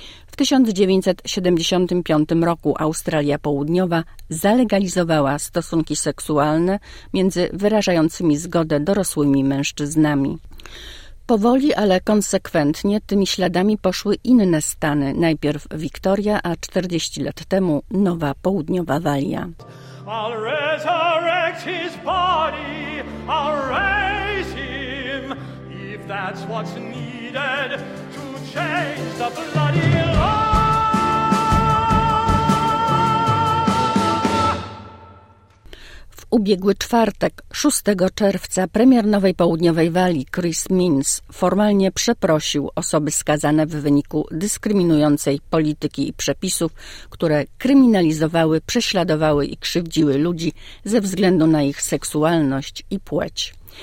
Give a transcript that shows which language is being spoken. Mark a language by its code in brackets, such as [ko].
[pl] W 1975 roku Australia Południowa zalegalizowała stosunki seksualne między wyrażającymi zgodę dorosłymi mężczyznami. Powoli, ale konsekwentnie tymi śladami poszły inne stany. Najpierw Wiktoria, a 40 lat temu Nowa Południowa Walia. [en] I'll resurrect his body, I'll raise him, if that's what's needed to change the bloody law. [pl] Ubiegły czwartek, 6 czerwca, premier Nowej Południowej Walii, Chris Minns, formalnie przeprosił osoby skazane w wyniku dyskryminującej polityki i przepisów, które kryminalizowały, prześladowały i krzywdziły ludzi ze względu na ich seksualność i płeć.